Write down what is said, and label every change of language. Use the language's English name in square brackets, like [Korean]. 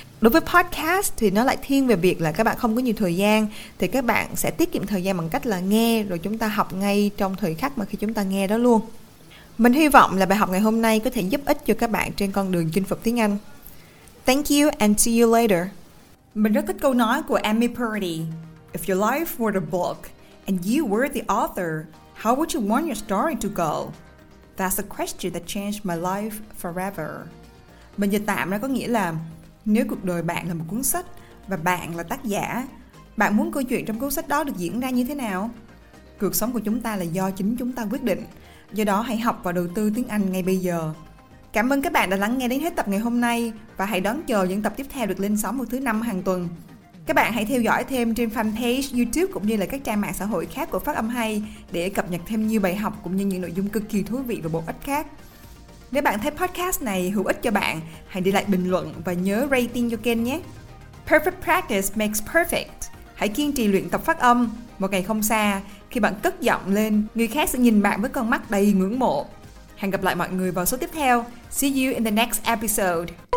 [Vietnamese] Đối với podcast thì nó lại thiên về việc là các bạn không có nhiều thời gian thì các bạn sẽ tiết kiệm thời gian bằng cách là nghe rồi chúng ta học ngay trong thời khắc mà khi chúng ta nghe đó luôn. Mình hy vọng là bài học ngày hôm nay có thể giúp ích cho các bạn trên con đường chinh phục tiếng Anh. [English] Thank you and see you later. [Vietnamese] Mình rất thích câu nói của Amy Purdy: [English] If your life were a book and you were the author, how would you want your story to go? That's a question that changed my life forever. [Vietnamese] Mình dịch tạm ra có nghĩa là nếu cuộc đời bạn là một cuốn sách và bạn là tác giả, bạn muốn câu chuyện trong cuốn sách đó được diễn ra như thế nào? Cuộc sống của chúng ta là do chính chúng ta quyết định. Do đó hãy học và đầu tư tiếng Anh ngay bây giờ. Cảm ơn các bạn đã lắng nghe đến hết tập ngày hôm nay và hãy đón chờ những tập tiếp theo được lên sóng vào thứ năm hàng tuần. Các bạn hãy theo dõi thêm trên fanpage YouTube cũng như là các trang mạng xã hội khác của Phát Âm Hay để cập nhật thêm nhiều bài học cũng như những nội dung cực kỳ thú vị và bổ ích khác. Nếu bạn thấy podcast này hữu ích cho bạn, hãy để lại bình luận và nhớ rating cho kênh nhé. [English] Perfect practice makes perfect. [Vietnamese] Hãy kiên trì luyện tập phát âm. Một ngày không xa, khi bạn cất giọng lên, người khác sẽ nhìn bạn với con mắt đầy ngưỡng mộ. Hẹn gặp lại mọi người vào số tiếp theo. [English] See you in the next episode.